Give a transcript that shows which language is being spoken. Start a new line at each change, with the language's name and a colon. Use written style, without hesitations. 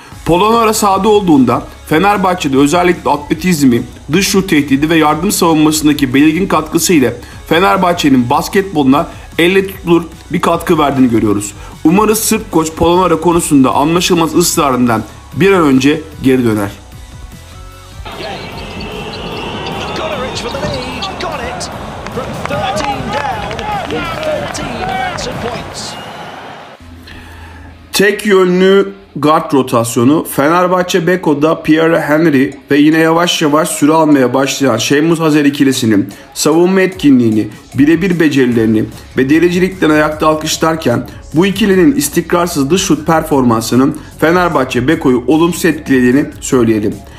Turkish: Polonara sahada olduğunda Fenerbahçe'de özellikle atletizmi, dış şut tehdidi ve yardım savunmasındaki belirgin katkısı ile Fenerbahçe'nin basketboluna elle tutulur bir katkı verdiğini görüyoruz. Umarız Sırp koç Polonara konusunda anlaşılmaz ısrarından bir an önce geri döner. Yeah.
English: stretch for the lead. Got it. From 13 down, 13 Everton points.
Turkish: Tek yönlü guard rotasyonu, Fenerbahçe Beko'da Pierre Henry ve yine yavaş yavaş süre almaya başlayan Şeymuz Hazer ikilisinin savunma etkinliğini, birebir becerilerini ve derecilikten ayakta alkışlarken bu ikilinin istikrarsız dış şut performansının Fenerbahçe Beko'yu olumsuz etkilediğini söyleyelim.